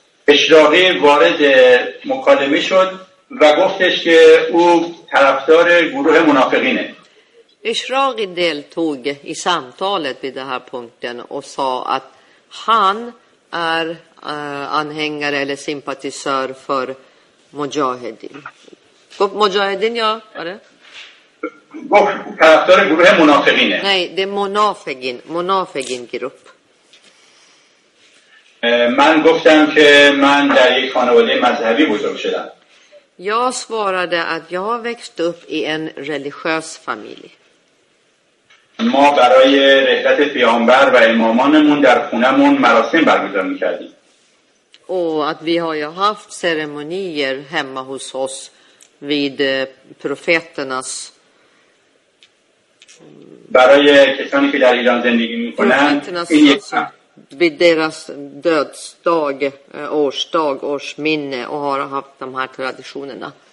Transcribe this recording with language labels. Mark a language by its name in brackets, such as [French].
[Persian] اشراقی وارد مکالمه شد و گفتش که او طرفدار گروه منافقینه. [Swedish] اشراقی deltog i samtalet vid den här punkten och sa att han är anhängare eller sympatisör för Mujahedin. Mujahedin, ja, var det? [Persian] طرفدار گروه منافقینه. [Swedish] Nej, det är منافقین, منافقین grupp. [Persian] Man گفتم که من در یک خانواده مذهبی بزرگ شدم. [Swedish] Jag svarade att jag har växt upp i en religiös familj. [Persian] ما برای رحلت پیامبر و امامانمون در خونمون مراسم برگزار می‌کردیم. [Swedish] Och att vi har ju haft ceremonier hemma hos oss vid profeternas. [Persian] برای کسانی که در ایران زندگی می‌کنند این یک [Swedish] vid deras dödsdag, årsdag, årsminne och har haft de här traditionerna.